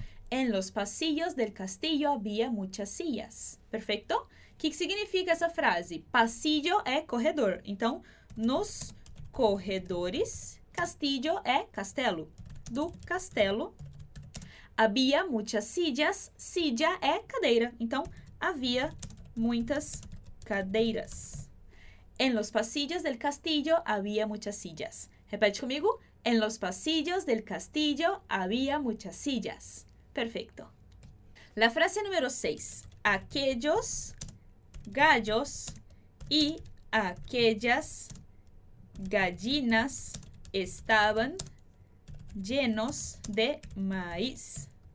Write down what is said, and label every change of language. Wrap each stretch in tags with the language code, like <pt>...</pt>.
<es>En los pasillos del castillo había muchas sillas. Perfecto?</es> <pt>O que significa essa frase? Pasillo é corredor. Então, nos corredores, castillo é castelo. Do castelo,</pt> <es>había muchas sillas.</es> <pt>Silla é cadeira. Então, havia muitas cadeiras.</pt> <es>En los pasillos del castillo había muchas sillas.</es> <pt>Repete comigo.</pt> <es>En los pasillos del castillo había muchas sillas. Perfecto. La frase número 6. Aquellos gallos y aquellas gallinas estaban llenos de maíz.</es>